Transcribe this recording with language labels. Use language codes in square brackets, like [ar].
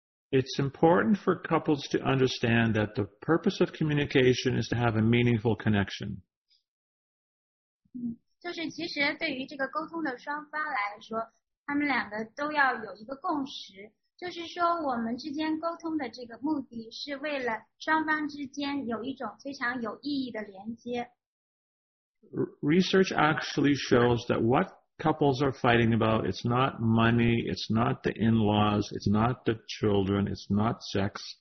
[en] It's important for couples to understand that the purpose of communication is to have a meaningful connection. [zh] 就是其实对于这个沟通的双方来说，他们两个都要有一个共识，就是说我们之间沟通的这个目的是为了双方之间有一种非常有意义的连接。 [en] Research actually shows that what couples are fighting about, it's not money, it's not the in-laws, it's not the children, it's not sex.